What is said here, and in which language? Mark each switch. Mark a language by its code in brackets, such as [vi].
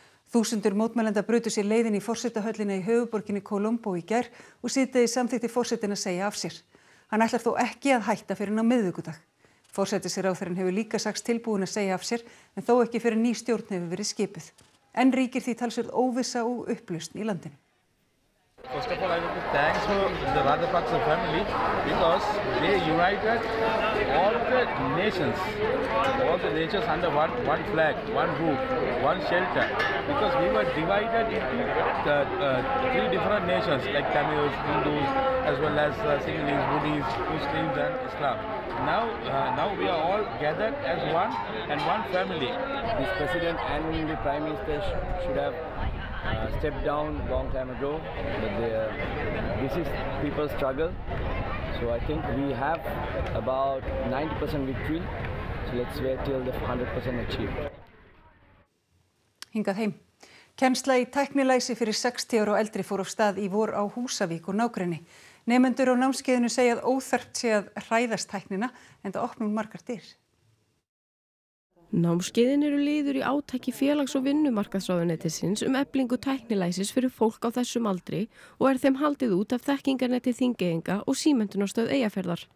[is] Þúsundur mótmælenda brutu sér leiðin í forsetahöllina í höfuðborginni Colombo í gær og sitja í samþykkti forsetinn að segja af sér. Hann ætlar þó ekki að hætta fyrir en á miðvikudag. Forsætisráðherrann hefur líka sagst tilbúin að segja af sér en þó ekki fyrir ný stjórn hefur verið skipuð. En ríkir því talsverð óvissa og upplausn í landinu. [en] First of all, I want to thank the Rajapaksa family because they united all the nations under one flag, one roof, one shelter. Because we were divided into three different nations like Tamils, Hindus, as well as Sinhalese, Buddhists, Muslims and Islam. Now we are all gathered as one and one family. This president and the prime minister should have stepped down long time ago, but this is people's struggle. So I think we have about 90% victory. So let's wait till the 100% achieved. [is] Hingað heim. Kennsla í tæknilæsi fyrir 60 ára og eldri fór af stað í vor á Húsavík og nágrenni. Nemendur á námskeiðinu segja að óþarft sé að hræðast tæknina, en það opnum margar dyr. Námskeiðin eru liður í átaki félags- og vinnumarkaðsráðuneytisins eflingu tæknilæsis fyrir fólk á þessum aldri og þeim haldið út af þekkingarneti þingeyinga og símenntunarstöð eyjaferðar.